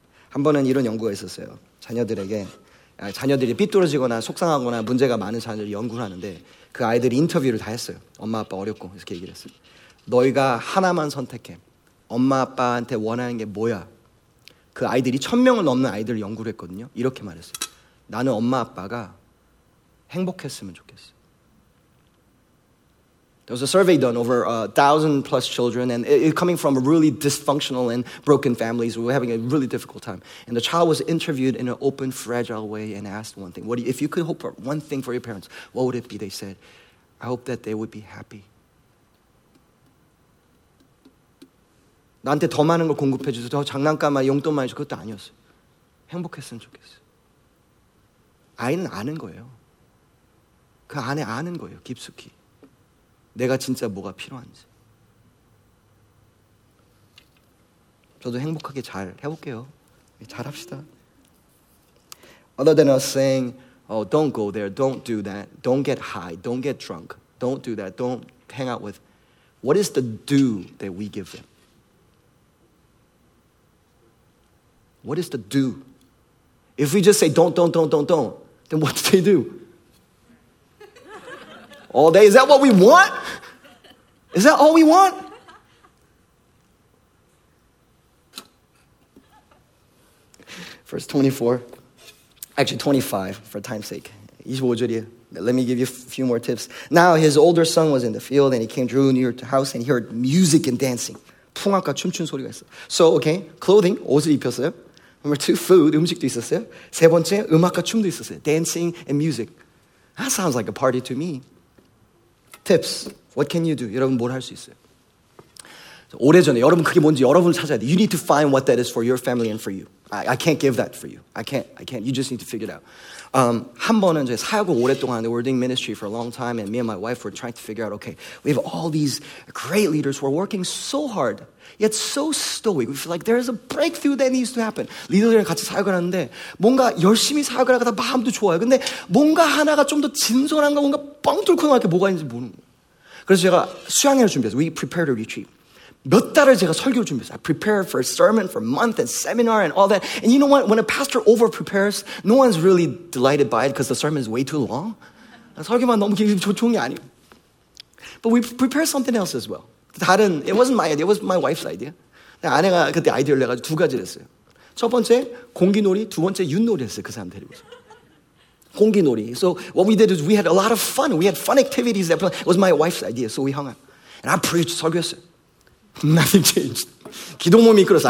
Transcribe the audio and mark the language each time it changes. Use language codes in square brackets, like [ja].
[ko] 한 번은 이런 연구가 있었어요. 자녀들에게 자녀들이 삐뚤어지거나 속상하거나 문제가 많은 자녀들이 연구를 하는데 그 아이들이 인터뷰를 다 했어요. 엄마 아빠 어렵고 이렇게 얘기를 했어요. 너희가 하나만 선택해. 엄마 아빠한테 원하는 게 뭐야? 그 아이들이 1,000명을 넘는 아이들을 연구를 했거든요. 이렇게 말했어요. 나는 엄마 아빠가 행복했으면 좋겠어. [en] There was a survey done over 1,000+ children and it coming from a really dysfunctional and broken families. We were having a really difficult time. And the child was interviewed in an open, fragile way and asked one thing. What do you, if you could hope for one thing for your parents, what would it be? They said, I hope that they would be happy. [ko] 나한테 더 많은 걸 공급해 주세요. 더 장난감이나 용돈 많이 주세요. 그것도 아니었어요. 행복했으면 좋겠어요. 아이는 아는 거예요. 그 안에 아는 거예요, 깊숙이. 내가 진짜 뭐가 필요한지. 저도 행복하게 잘 해볼게요. 잘 합시다. [en] Other than us saying, oh, don't go there, don't do that, don't get high, don't get drunk, don't do that, don't hang out with, what is the do that we give them? What is the do? If we just say don't, then what do they do? All day, is that what we want? Is that all we want? Verse 24, actually 25 for time's sake. [ko] 25절이에요. [en] Let me give you a few more tips. Now his older son was in the field and he came drew near to the house and he heard music and dancing. [ko] 풍악과 춤춘 소리가 있어. [en] So, okay, clothing, [ko] 옷을 입혔어요. [en] Number two, food, [ko] 음식도 있었어요. 세 번째, 음악과 춤도 있었어요. [en] Dancing and music. That sounds like a party to me. Tips. What can you do? [ko] 여러분 뭘 할 수 있어요? 오래전에 여러분 그게 뭔지 여러분 찾아야 돼. [en] You need to find what that is for your family and for you. I can't give that for you. I can't. You just need to figure it out. [ko] 한 번은 이제 사역을 오랫동안 하는데 [en] we're doing ministry for a long time and me and my wife were trying to figure out okay, we have all these great leaders who are working so hard yet so stoic. We feel like there is a breakthrough that needs to happen. [ko] 리더들이랑 같이 사역을 하는데 뭔가 열심히 사역을 하다 마음도 좋아요. 근데 뭔가 하나가 좀 더 진솔한가 뭔가 뻥 뚫고 나갈 게 뭐가 있는지 모르는 거예요. 그래서 제가 수양회를 준비했어요. [en] We prepared a retreat. [ko] 몇 달을 제가 설교를 준비했어요. [en] I prepared for a sermon for a month and seminar and all that. And you know what? When a pastor over-prepares, no one's really delighted by it because the sermon is way too long. [ko] 설교만 너무 좋은 게 아니에요. [en] But we prepared something else as well. [ko] 다른, [en] it wasn't my idea. It was my wife's idea. [ko] 아내가 그때 아이디어를 내가 두 가지를 했어요. 첫 번째, 공기놀이. 두 번째, 윷놀이 했어요. 그 사람 데리고서. 공기놀이. [en] So what we did is we had a lot of fun. We had fun activities. It was my wife's idea. So we hung out. And I preached, [ko] 설교했어요. [en] Nothing changed. [ko] 기도 몸이 끌었어.